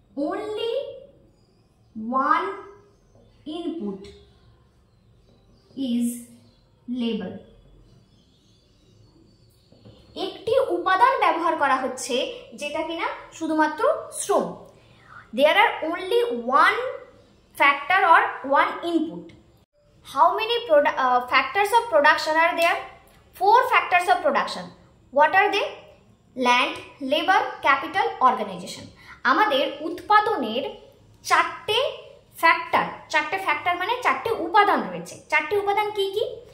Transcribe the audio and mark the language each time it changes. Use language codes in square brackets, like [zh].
[en] Only one input is labor. [bn] একটি উপাদান ব্যবহার করা হচ্ছে যেটা কিনা শুধুমাত্র শ্রম। [en] There are only one factor or one input. How many factors of production are there? Four factors of production. What are they? Land, labor, capital, organization. [bn] আমাদের উৎপাদনের চারটে ফ্যাক্টর, চারটে ফ্যাক্টর মানে চারটে উপাদান রয়েছে। চারটে উপাদান কি কি?